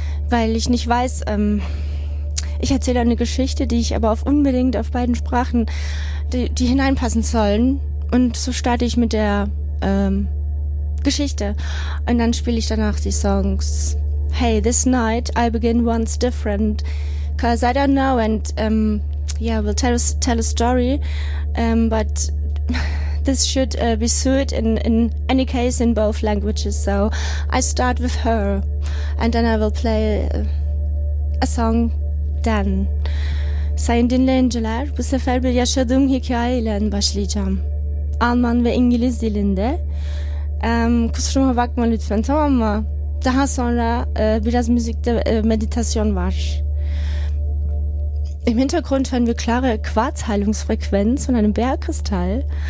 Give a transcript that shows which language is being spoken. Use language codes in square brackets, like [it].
[de] Weil ich nicht weiß, ich erzähle eine Geschichte, die ich aber auf unbedingt auf beiden Sprachen, die hineinpassen sollen. Und so starte ich mit der Geschichte. Und dann spiele ich danach die Songs. [en] Hey, this night I begin once different, cause I don't know and yeah, we'll tell a story, but this should be suited in any case in both languages. So I start with her and then I will play a song then. [tr] Sayın dinleyiciler, bu sefer bir yaşadığım hikaye ile başlayacağım. Alman ve İngiliz dilinde. Kusuruma bakma lütfen, tamam mı? Daha sonra biraz müzikte meditasyon var. [de] Im Hintergrund hören wir klare Quarzheilungsfrequenz von einem Bergkristall.